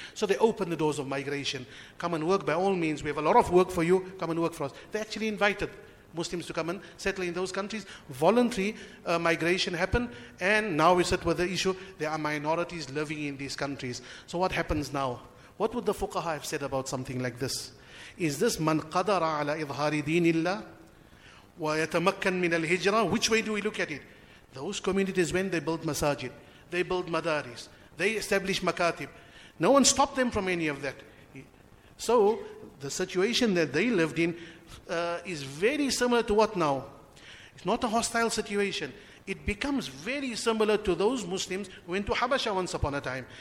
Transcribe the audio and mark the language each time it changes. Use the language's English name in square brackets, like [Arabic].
[English] So they opened the doors of migration. Come and work by all means. We have a lot of work for you. Come and work for us. They actually invited Muslims to come and settle in those countries. Voluntary migration happened, and now we sit with the issue. There are minorities living in these countries. So what happens now? What would the fuqaha have said about something like this? Is this [Arabic] مَنْ قَدَرَ عَلَىٰ إِظْهَارِ دِينِ اللَّهِ وَيَتَمَكَّنْ مِنَ الْهِجْرَةِ? [English] Which way do we look at it? Those communities, when they built masajid, they built madaris, they established makatib, no one stopped them from any of that. So the situation that they lived in is very similar to what now? It's not a hostile situation. It becomes very similar to those Muslims who went to Habasha once upon a time.